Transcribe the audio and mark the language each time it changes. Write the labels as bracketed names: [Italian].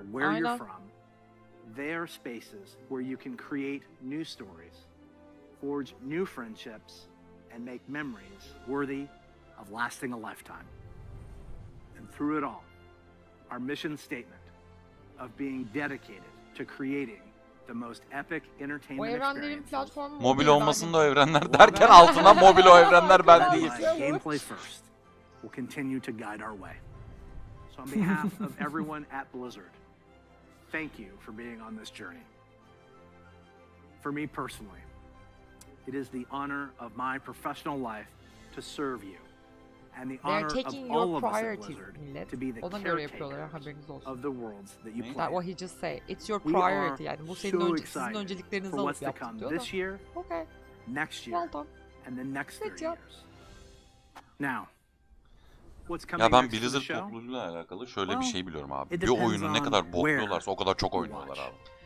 [English] Where you're from, there are spaces where you can create new stories, forge new friendships, and make memories worthy of lasting a lifetime. And through it all, our mission statement of being dedicated to creating the most epic entertainment experience. [Turkish] Mobil olmasın da o evrenler derken altına mobil o evrenler ben değil. [English] Gameplay first. We'll continue to guide our way. So on behalf of everyone at Blizzard, thank you for being on this journey. For me personally, it is the honor of my professional life to serve you and the honor of all of us at Blizzard to be the caretakers of the worlds that you play. What he just said, it's your priority. [Turkish] Yani bu senin sizin öncelikleriniz olup yaptık diyor. [English] Okay. Next year. And the next 30 years. Now. What's coming? [Turkish] Ya ben Blizzard topluluğuyla alakalı şöyle bir şey biliyorum abi. Bir oyunun ne kadar bokluyorlarsa o kadar çok oynuyorlar abi.